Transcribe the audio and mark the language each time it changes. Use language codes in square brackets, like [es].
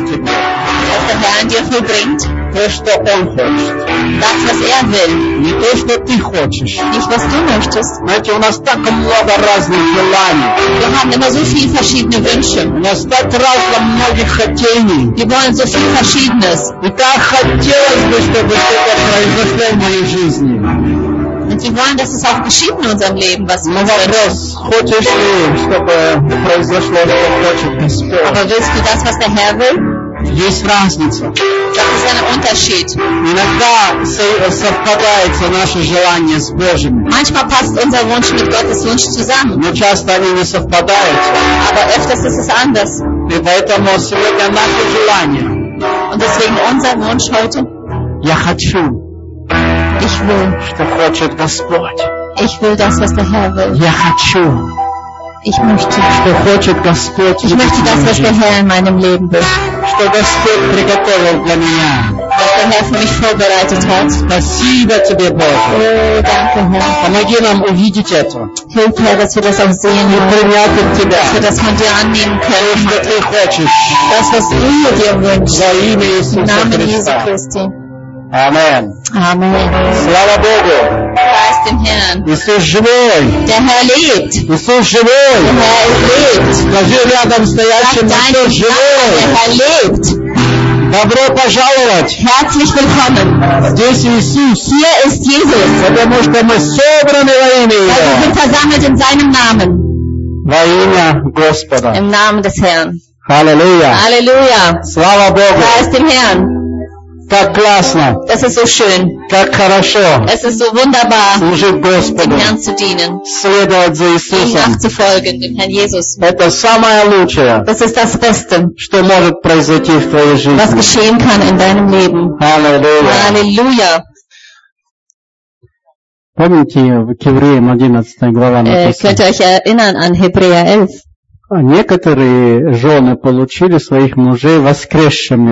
[de] der Herr in dir vollbringt? Das, was will. [ru] Не то, что ты хочешь. [de] Nicht, was du möchtest. [ru] Знаете, у нас так много разных желаний. [de] Wir haben immer so viele verschiedene Wünsche. [ru] У нас так разно многих хотений. [de] Wir wollen so viel Verschiedenes. [ru] И так хотелось бы, чтобы что-то произошло в моей жизни. [de] Und wir wollen, dass es auch geschieht in unserem Leben, was wir wollen. Aber willst du das, was der Herr will? [ru] Есть разница. [de] Das ist ein Unterschied. [ru] Иногда совпадается наше желание с Божьим. [de] Manchmal passt unser Wunsch mit Gottes Wunsch zusammen. [ru] Но часто они не совпадаются. [de] Aber öfters ist es anders. [ru] И поэтому сегодня наше желание. [de] Und deswegen unser Wunsch heute. [ru] Я хочу. [de] Ich will. [ru] Что хочет Господь. [de] Ich will das, was der Herr will. [ru] Я хочу. [de] Ich möchte. [ru] Что хочет Господь. [de] Ich möchte das, was der Herr in meinem Leben will. [ru] Что Господь приготовил для меня. [de] Was der Herr für mich vorbereitet hat. [ru] Спасибо тебе, Боже. [de] Oh, danke, Herr. [ru] Помоги нам увидеть это. [de] Hilf mir, dass wir das auch sehen. [ru] И принять от тебя. [de] So, dass wir dir annehmen können. [ru] Что ты хочешь. [de] Das, was du dir wünschst. [ru] Во имя Иисуса Христа. Amen. [de] Amen. [ru] Слава Богу. [en] Christ in hand. [ru] Иисус живой. [de] Der Herr lebt. [ru] Иисус живой. [de] Der Herr lebt. [ru] Скажи рядом стоящим, Иисус живой. [de] Der Herr lebt. [ru] Добро пожаловать. [de] Herzlich willkommen. [ru] Здесь Иисус. [de] Hier ist Jesus. [ru] Потому что мы собраны во имя Его. [de] Weil wir sind versammelt in seinem Namen. [ru] Во имя Господа. [de] Im Namen des Herrn. [ru] Halleluja. [de] Halleluja. [ru] Слава Богу. [en] Christ in hand. [ru] Как классно! [de] Es ist so schön. [ru] Как хорошо! [de] Es ist so wunderbar. [ru] Служить Господу. [de] Dem Herrn zu dienen. [ru] Следовать за Иисусом. [de] Nachzufolgen dem Herrn Jesus. [ru] Это самое лучшее. [de] Das ist das Beste. [ru] Что может произойти в твоей жизни. [de] Was geschehen kann in deinem Leben. [ru] Halleluja. [de] Halleluja. [ru] Помните, в Евреям 11 глава написано. [de] Könnt ihr euch erinnern an Hebräer 11? [ru] Некоторые жены получили своих мужей воскресшими.